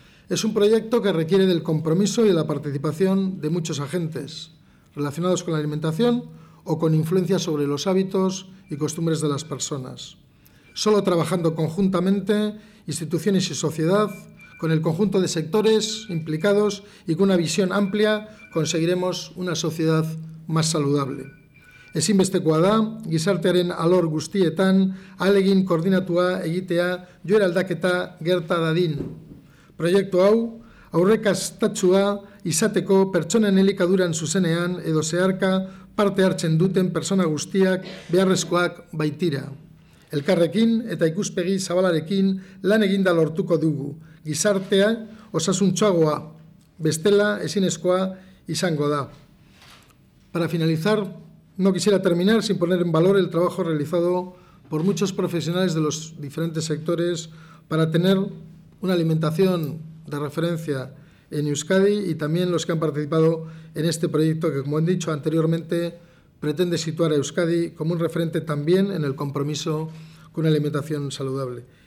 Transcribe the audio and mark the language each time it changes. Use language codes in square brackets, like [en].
[es] Es un proyecto que requiere del compromiso y de la participación de muchos agentes relacionados con la alimentación o con influencia sobre los hábitos y costumbres de las personas. Solo trabajando conjuntamente, instituciones y sociedad, con el conjunto de sectores implicados y con una visión amplia, conseguiremos una sociedad más saludable. [eu] Ezinbestekoa da, gizartearen alor guztietan, ahalegin koordinatua egitea, joera aldaketa gerta dadin. Proiektu hau, aurrekastatua izateko pertsonen elikaduran zuzenean edo zeharka parte hartzen duten pertsona guztiak beharrezkoak baitira. Elkarrekin eta ikuspegi zabalarekin lan eginda lortuko dugu. Gizartea osasuntsuagoa, bestela ezinezkoa izango da. [es] Para finalizar, no quisiera terminar sin poner en valor el trabajo realizado por muchos profesionales de los diferentes sectores para tener una alimentación de referencia en Euskadi y también los que han participado en este proyecto que, como han dicho anteriormente, pretende situar a Euskadi como un referente también en el compromiso con una alimentación saludable.